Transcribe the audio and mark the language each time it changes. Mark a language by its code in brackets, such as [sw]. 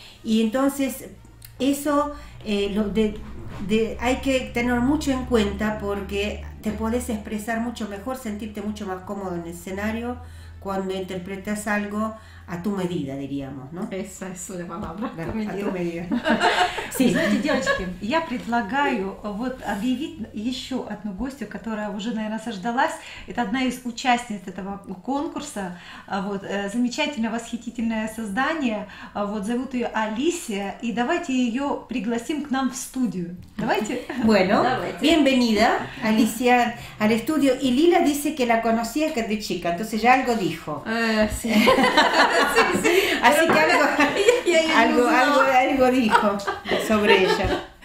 [es] Y entonces eso hay que tener mucho en cuenta, porque te podés expresar mucho mejor, sentirte mucho más cómodo en el escenario cuando interpretas algo a tu medida, diríamos, ¿no? Esa es la palabra, [ru] да, [es] a tu medida. Sí. [ru] Знаете, девочки, я предлагаю вот объявить еще одну гостью, которая уже, наверное, сождалась. Это одна из участниц этого конкурса. Вот, замечательное, восхитительное создание. Вот, зовут ее Алисия. И давайте ее пригласим к нам в студию. Давайте. [es] Bueno, [ru] давайте. [es] Bienvenida, Alicia, al estudio. Y Lila dice que la conocía desde chica. Entonces ya algo dijo. Sí. Sí, sí. Así que algo dijo sobre ella.